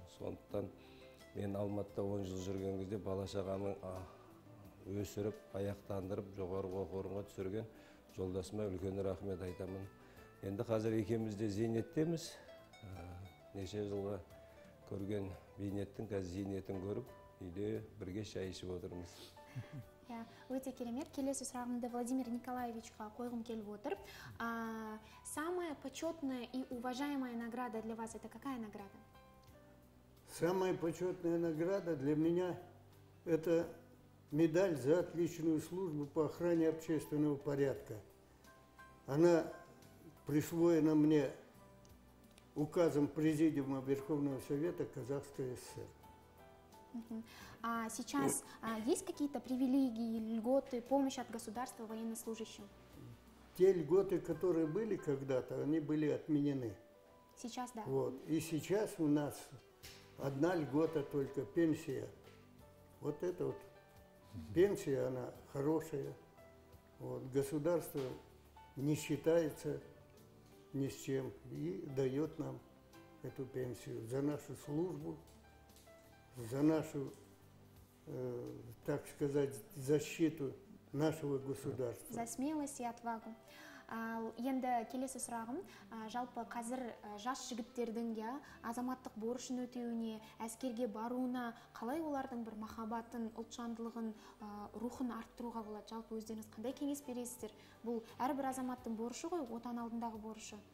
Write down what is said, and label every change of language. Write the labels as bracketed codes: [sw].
[kk] Сондықтан мен Алматыда 10 жыл жүрген кезде бала шағаны өсіріп, аяқтандырып, жоғарғы оқу орнына түсірген жолдасыма үлкен рахмет айтамын. Енді қазір екеуміз де зейнеттеміз, неше жылға көрген бейнеттің қазір зейнетін көріп үйде бірге шай ішіп отырмыз. Иә, өте керемет. Келесі сұрағымды Владимир Николаевичқа қойғым келіп отыр. [ru] Самая почетная и уважаемая награда для вас это какая награда? Самая почетная награда для меня это медаль за отличную службу по охране общественного порядка. Она присвоена мне указом Президиума Верховного Совета Казахской ССР. А сейчас есть какие-то привилегии, льготы, помощь от государства военнослужащим? Те льготы, которые были когда-то, они были отменены. Сейчас, да. Вот. И сейчас у нас одна льгота только, пенсия. Вот эта вот пенсия, она хорошая. Вот. Государство не считается ни с чем и дает нам эту пенсию за нашу службу, за нашу, так сказать, защиту нашего государства. За смелость и отвагу. [kk] Енді келесі сұрағым, жалпы қазір жас жігіттердің я азаматтық борышын өтеуіне, әскерге баруына қалай олардың бір махаббатын, ұлтжандылығын, рухын арттыруға болады? Жалпы өздеріңіз қандай кеңес бересіздер? Бұл әрбір азаматтың борышы ғой, отан алдындағы борышы.